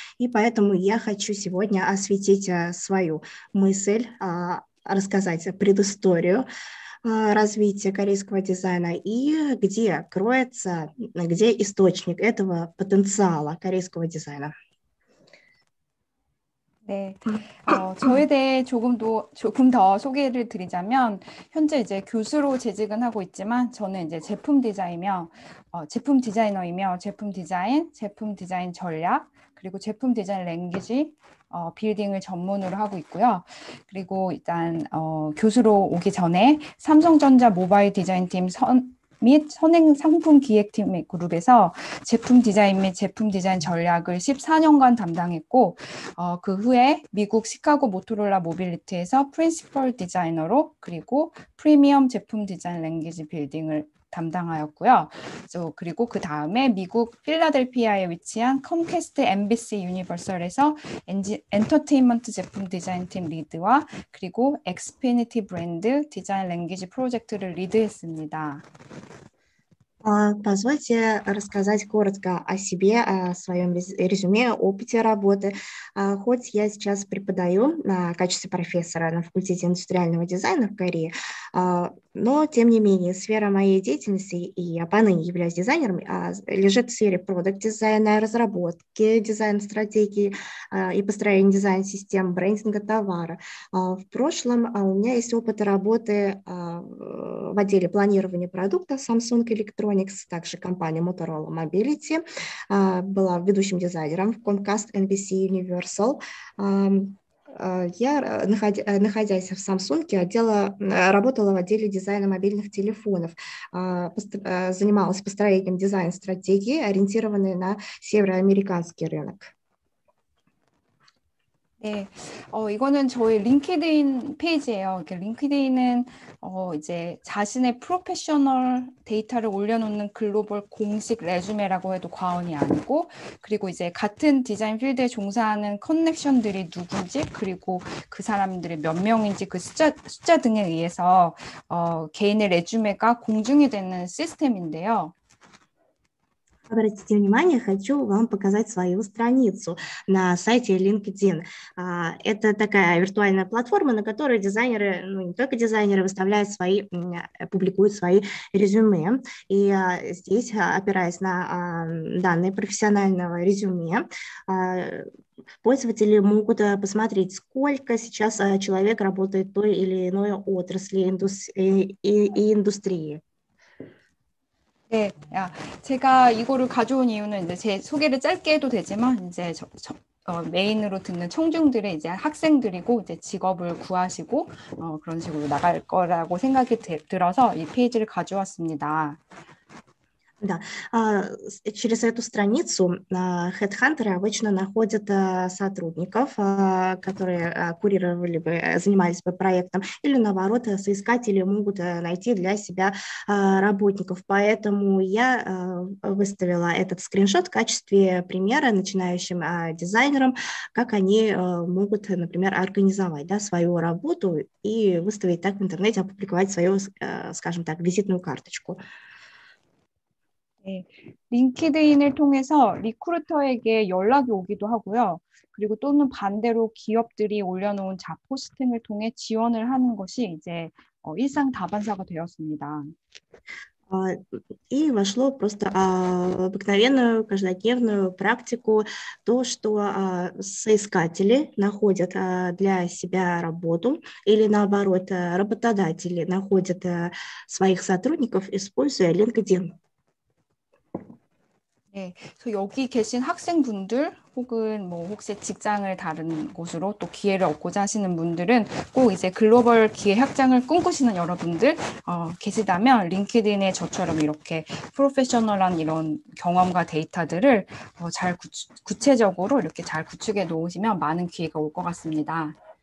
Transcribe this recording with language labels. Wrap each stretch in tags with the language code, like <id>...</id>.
<ru>И поэтому я хочу сегодня осветить свою мысль, рассказать предысторию развития корейского дизайна и где кроется, где источник этого потенциала корейского дизайна.</ru> <ko>네, 저에 대해 조금 더 소개를 드리자면, 현재 이제 교수로 재직은 하고 있지만, 저는 이제 제품 디자이너이며, 제품 디자인 전략, 그리고 제품 디자인 랭귀지, 빌딩을 전문으로 하고 있고요. 그리고 일단, 교수로 오기 전에 삼성전자 모바일 디자인 팀및 선행 상품 기획팀의 그룹에서 제품 디자인 및 제품 디자인 전략을 14년간 담당했고, 그 후에 미국 시카고 모토로라 모빌리티에서 프린시펄 디자이너로 그리고 프리미엄 제품 디자인 랭귀지 빌딩을 담당하였고요. 그리고 그 다음에 미국 필라델피아에 위치한 컴캐스트 MBC 유니버설에서 엔터테인먼트 제품 디자인 팀 리드와 그리고 엑스피니티 브랜드 디자인 랭귀지 프로젝트를 리드했습니다.</ko> <ru>Позвольте рассказать коротко о себе, о своем резюме, опыте работы. Хоть я сейчас преподаю в качестве профессора на факультете индустриального дизайна в Корее, но тем не менее сфера моей деятельности, и я поныне являюсь дизайнером, лежит в сфере продакт-дизайна, разработки дизайн-стратегии и построения дизайн-систем, брендинга товара. В прошлом у меня есть опыт работы в отделе планирования продукта Samsung Electronics, также компания Motorola Mobility, была ведущим дизайнером в Comcast NBC Universal. Я, находясь в Samsung, работала в отделе дизайна мобильных телефонов, занималась построением дизайн-стратегии, ориентированной на североамериканский рынок.</ru> <ko>네, 이거는 저의 링크드인 페이지예요. 링크드인은 이제 자신의 프로페셔널 데이터를 올려놓는 글로벌 공식 레주메라고 해도 과언이 아니고, 그리고 이제 같은 디자인 필드에 종사하는 커넥션들이 누군지, 그리고 그 사람들이 몇 명인지 그 숫자 등에 의해서 개인의 레주메가 공중이 되는 시스템인데요.</ko> <ru>Обратите внимание, хочу вам показать свою страницу на сайте LinkedIn. Это такая виртуальная платформа, на которой дизайнеры, ну не только дизайнеры, публикуют свои резюме. И здесь, опираясь на данные профессионального резюме, пользователи могут посмотреть, сколько сейчас человек работает в той или иной отрасли и индустрии.</ru> <ko>네, 제가 이거를 가져온 이유는 이제 제 소개를 짧게 해도 되지만 이제 메인으로 듣는 청중들의 이제 학생들이고 이제 직업을 구하시고 그런 식으로 나갈 거라고 생각이 들어서 이 페이지를 가져왔습니다.</ko> <ru>Да, через эту страницу хедхантеры обычно находят сотрудников, которые курировали бы, занимались бы проектом, или наоборот, соискатели могут найти для себя работников. Поэтому я выставила этот скриншот в качестве примера начинающим дизайнерам, как они могут, например, организовать, да, свою работу и выставить так в интернете, опубликовать свою, скажем так, визитную карточку.</ru> <ko>네, 링크드인을 통해서 리크루터에게 연락이 오기도 하고요. 그리고 또는 반대로 기업들이 올려놓은 잡 포스팅을 통해 지원을 하는 것이 이제 일상 다반사가 되었습니다.</ko> <ru>И вошло просто в обыкновенную каждодневную практику то, что соискатели находят для себя работу, или наоборот, работодатели находят своих сотрудников, используя LinkedIn.</ru> <ko>네, 그래서 여기 계신 학생분들 혹은 뭐 혹시 직장을 다른 곳으로 또 기회를 얻고자 하시는 분들은 꼭 이제 글로벌 기회 확장을 꿈꾸시는 여러분들 계시다면 링크드인에 저처럼 이렇게 프로페셔널한 이런 경험과 데이터들을 잘 구체적으로 이렇게 잘 구축해 놓으시면 많은 기회가 올것 같습니다.</ko>